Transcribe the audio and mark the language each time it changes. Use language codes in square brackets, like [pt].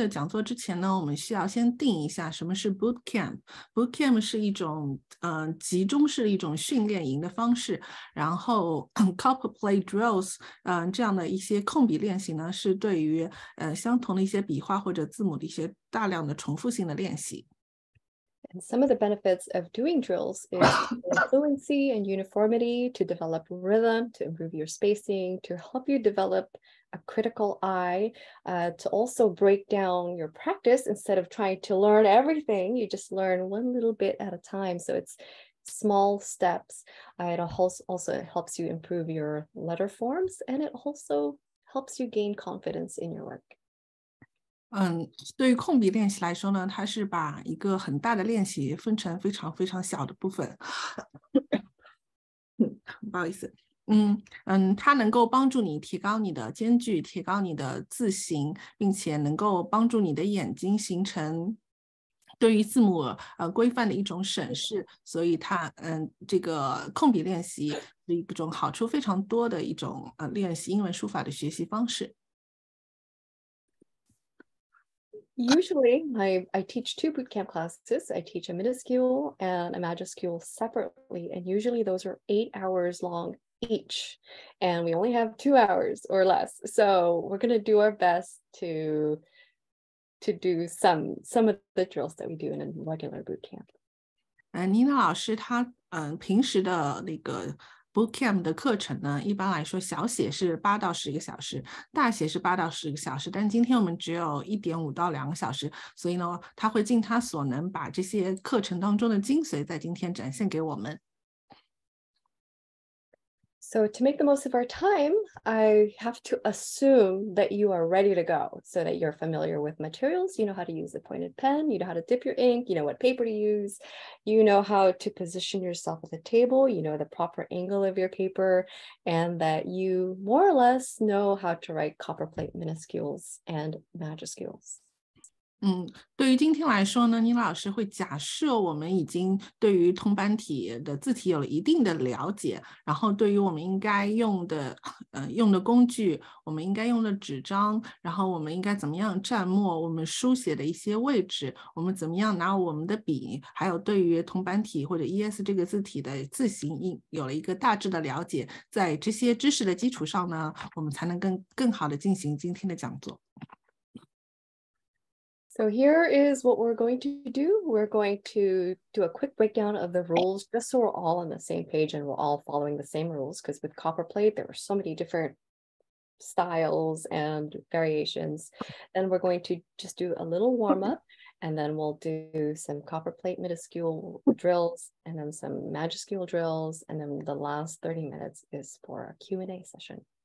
[zh] 在我们开始今天的讲座之前呢，我们需要先定一下什么是 boot camp。 boot camp 是一种集中式一种训练营的方式，然后 copperplate drills 这样的一些控笔练习呢，是对于相同的一些笔画或者字母的一些大量的重复性的练习。 [en] And some of the benefits of doing drills is fluency and uniformity, to develop rhythm, to improve your spacing, to help you develop a critical eye, to also break down your practice. Instead of trying to learn everything, you just learn one little bit at a time. So it's small steps. It also helps you improve your letter forms, and it also helps you gain confidence in your work. [zh] 对于控笔练习来说呢，它是把一个很大的练习分成非常非常小的部分。不好意思。它能够帮助你提高你的间距，提高你的字形，并且能够帮助你的眼睛形成对于字母规范的一种审视。所以它这个控笔练习是一种好处非常多的一种练习英文书法的学习方式。 [en] Usually, I teach two bootcamp classes. I teach a minuscule and a majuscule separately, and usually those are 8 hours long each, and we only have 2 hours or less. So we're going to do our best to do some of the drills that we do in a regular bootcamp. [zh] Nina 老师她平时的那个 bootcamp 的课程呢，一般来说小写是8到10个小时，大写是8到10个小时，但今天我们只有1.5到2个小时，所以呢，她会尽她所能把这些课程当中的精髓在今天展现给我们。 [en] So to make the most of our time, I have to assume that you are ready to go, so that you're familiar with materials, you know how to use a pointed pen, you know how to dip your ink, you know what paper to use, you know how to position yourself at the table, you know the proper angle of your paper, and that you more or less know how to write copperplate minuscules and majuscules. [zh] 对于今天来说呢，妮老师会假设我们已经对于通版体的字体有了一定的了解，然后对于我们应该用的工具，我们应该用的纸张，然后我们应该怎么样蘸墨，我们书写的一些位置，我们怎么样拿我们的笔，还有对于通版体或者 ES 这个字体的字形有了一个大致的了解，在这些知识的基础上呢，我们才能更好的进行今天的讲座。 [en] So here is what we're going to do. We're going to do a quick breakdown of the rules, just so we're all on the same page and we're all following the same rules, because with copperplate, there are so many different styles and variations. Then we're going to just do a little warm up, and then we'll do some copperplate minuscule drills, and then some majuscule drills, and then the last 30 minutes is for a Q&A session.